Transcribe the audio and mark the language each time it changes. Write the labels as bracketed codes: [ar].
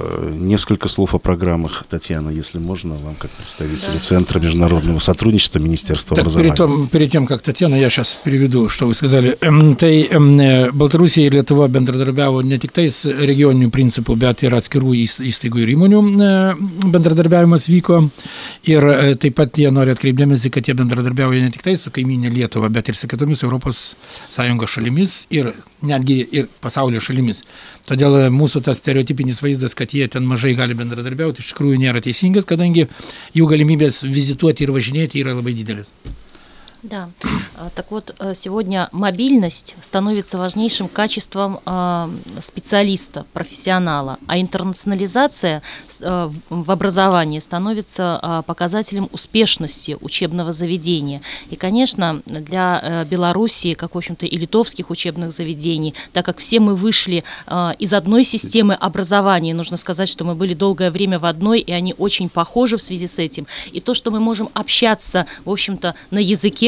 [ru] Несколько слов о программах, Татьяна, если можно, вам как представителю Центра международного сотрудничества Министерства так, образования. Перед тем, как Татьяна, я сейчас переведу, что вы сказали. [lt] Tai Baltarusija ir Lietuva bendradarbiavo ne tik tais regioniniu principu, bet ir atskirų įstaigų ir įmonių bendradarbiavimas vyko. Ir taip pat jie nori atkreipdėmėsi, kad jie bendradarbiavo ne tik tais su kaimynė Lietuva, bet ir su kitomis Europos Sąjungos šalimis ir netgi ir pasaulio šalimis. Todėl mūsų tas stereotipinis vaizdas, kad jie ten mažai gali bendradarbiauti, iš tikrųjų nėra teisingas, kadangi jų galimybės vizituoti ir važinėti yra labai didelis. [ru] Да, так вот, сегодня мобильность становится важнейшим качеством специалиста, профессионала, а интернационализация в образовании становится показателем успешности учебного заведения. И, конечно, для Белоруссии, как, в общем-то, и литовских учебных заведений, так как все мы вышли из одной системы образования, нужно сказать, что мы были долгое время в одной, и они очень похожи в связи с этим, и то, что мы можем общаться, в общем-то, на языке